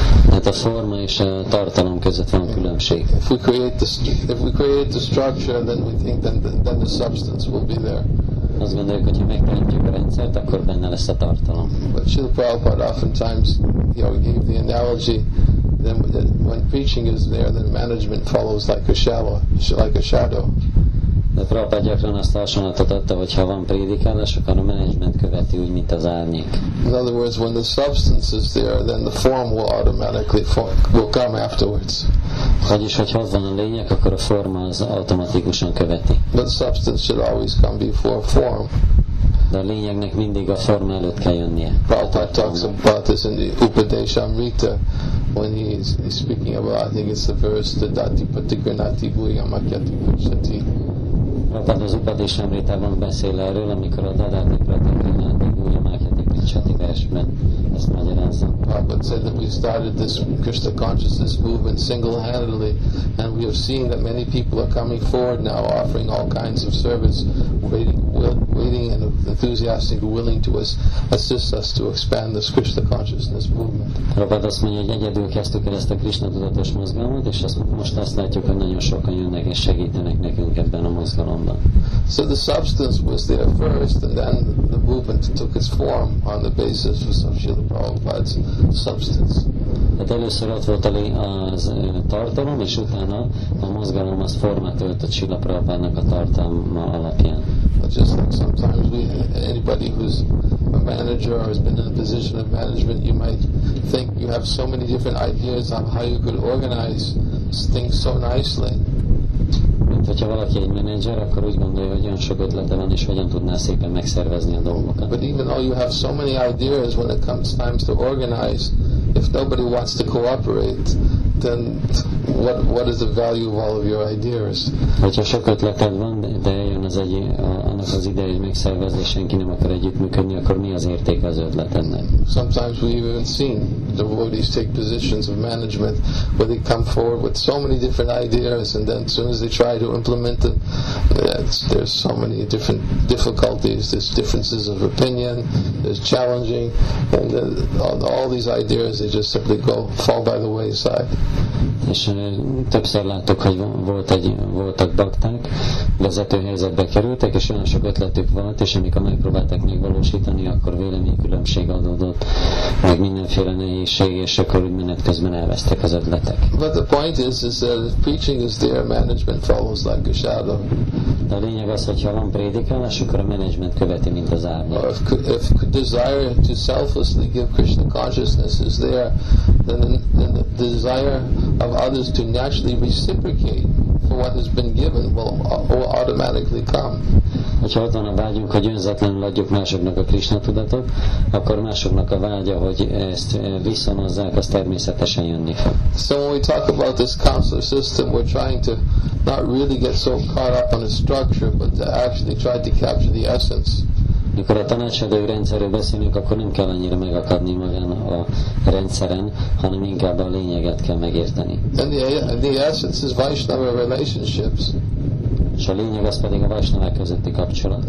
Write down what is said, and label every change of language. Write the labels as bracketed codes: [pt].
[hu] Hát a forma és a tartalom között van a különbség. [en] If we create the structure, then we think then the substance will be there. [hu] Azt gondoljuk, hogy ha megteremtjük a rendszert, akkor benne lesz a tartalom. [en] But Srila Prabhupada oftentimes gave the analogy that when preaching is there, then management follows like a shadow. [hu] De Prabhupada gyakran azt a hasonlatot adta, hogy ha van prédikálás, akkor a management követi úgy, mint az árnyék. [en] In other words, when the substance is there, then the form will automatically will come afterwards. [hu] Vagyis, hogy ha van a lényeg, akkor a forma az automatikusan követi. [en] But substance should always come before form. [hu] De a lényegnek mindig a forma előtt kell jönnie. [en] Prabhupada talks about this in the Upadeshamrita when he's speaking about, I think it's the verse, the [sa] dati patikranati bhuyamakyati pushati. [hu] Prabhupada az Upadeshamritában beszél erről, amikor a [sa] dadati patikranati bhuyamakyati pushati [hu] versben ezt magyarázza. [en] Prabhupada said that we started this Krishna consciousness movement single-handedly, and we have seen that many people are coming forward now offering all kinds of service, waiting and enthusiastic, willing to assist us to expand this Krishna consciousness movement. [hu] Prabhupada azt mondja, hogy egyedül kezdtük el ezt a Krishna tudatos mozgalmat, és most azt látjuk, hogy nagyon sokan jönnek és segítenek nekünk ebben a mozgalomban. [en] So the substance was there first, and then the movement took its form on the basis of Srila Prabhupada's substance. [hu] Hát először ott volt az tartalom, és utána a mozgalom az formát öltött Srila Prabhupádnak a tartalma alapján. [en] Just like sometimes anybody who's a manager or has been in a position of management, you might think you have so many different ideas on how you could organize things so nicely. [hu] Mint Mint hogyha valaki egy menedzser, akkor úgy gondolja, hogy olyan sok ötlete van, és hogyan tudná szépen megszervezni a dolgokat. [en] But even though you have so many ideas when it comes time to organize, if nobody wants to cooperate, then what is the value of all of your ideas? [hu] Hogyha sok ötleted van, de eljön az egy, annak az ideje, hogy megszervezni, senki nem akar együttműködni, akkor mi az értéke az ötletennek? [en] Sometimes we even seen devotees take positions of management where they come forward with so many different ideas, and then as soon as they try to implement them, there's so many different difficulties, there's differences of opinion, there's challenging, and then all these ideas, they just simply go fall by the wayside. [hu] És többször láttuk, hogy voltak bakták, vezető helyzetbe kerültek, és olyan sok ötletük volt, és amikor megpróbálták megvalósítani, akkor véleménykülönbség adódott, meg mindenféle nehézség, és akkor menet közben elvesztek az ötletek. [en] But the point is that if preaching is there, management follows like a shadow. [hu] De a lényeg az, hogyha van prédikálás, akkor a menedzsment követi, mint az árnyék. [en] If desire to selflessly give Krishna consciousness is there, then the desire of others to naturally reciprocate for what has been given will automatically come. [hu] Hogyha ott van a vágyunk, hogy önzetlenül adjuk másoknak a Krishna tudatot, akkor másoknak a vágya, hogy ezt viszonozzák, az természetesen jönni fog. [en] So when we talk about this counselor system, we're trying to not really get so caught up on the structure, but to actually try to capture the essence. [hu] Mikor a tanácsadói rendszerről beszélünk, akkor nem kell annyira megakadni magán a rendszeren, hanem inkább a lényeget kell megérteni. [en] And the essence is Vaishnava relationships. [hu] És a lényeg az pedig a Vaishnava közötti kapcsolat.